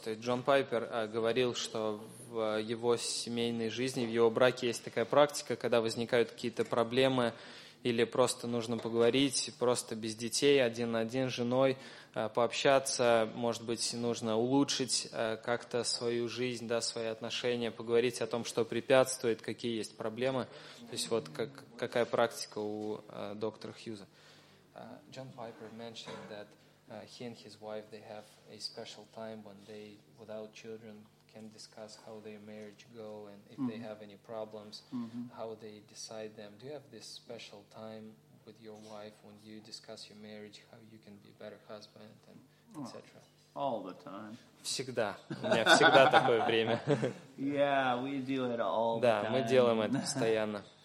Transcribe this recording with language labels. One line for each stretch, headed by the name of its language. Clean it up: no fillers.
Russian: То есть Джон Пайпер говорил, что в его семейной жизни, в его браке есть такая практика, когда возникают какие-то проблемы или просто нужно поговорить, просто без детей, один на один с женой пообщаться, может быть, нужно улучшить как-то свою жизнь, да, свои отношения, поговорить о том, что препятствует, какие есть проблемы. То есть вот как, какая практика у доктора Хьюза.
English: Джон Пайпер mentioned that he and his wife, they have a special time when they, without children, can discuss how their marriage go and if mm-hmm. they have any problems, mm-hmm. how they decide them. Do you have this special time with your wife when you discuss your marriage, how you can be a better husband, and etc.? All the time.
Russian: Всегда. У меня всегда такое время.
English: Yeah, we do it all
Russian: да,
English: the time.
Russian: Да, мы делаем это постоянно.